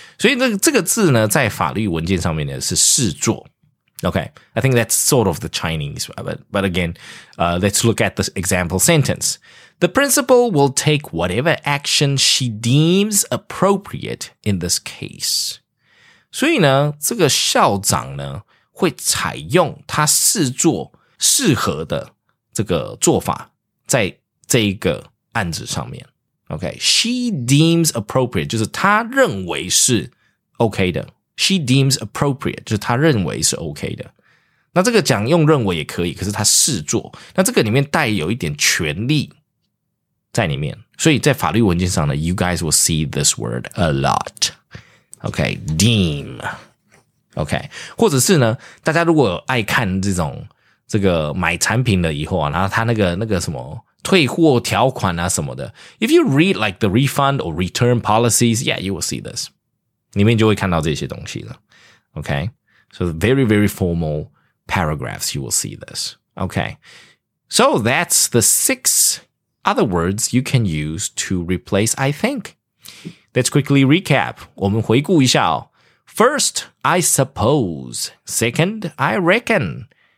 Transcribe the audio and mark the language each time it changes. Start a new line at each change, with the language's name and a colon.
Chinese: 所以这个字呢，在法律文件上面呢是视作。
English: Okay, I think that's sort of the Chinese. But again, let's look at this example sentence. The principal will take whatever action she deems appropriate in this case.
Chinese: 所以呢，这个校长呢会采用他视作适合的。这个做法在这一个案子上面 okay,
English: She deems appropriate
Chinese: 就是她认为是 OK 的 She deems appropriate 就是她认为是 OK 的那这个讲用认为也可以可是她试做那这个里面带有一点权力在里面所以在法律文件上呢
English: You guys will see this word a lot
Chinese: Okay, deem Okay, 或者是呢大家如果有爱看这种这个买产品了以后啊，然后他那个什么退货条款啊什么的。
English: If you read like the refund or return policies, yeah, you will see this.
Chinese: 里面就会看到这些东西了。
English: Okay, so very very formal paragraphs, you will see this. Okay, so that's the six other words you can use to replace. I think. Let's quickly recap.
Chinese: 我们回顾一下哦。
English: First, I suppose. Second, I reckon.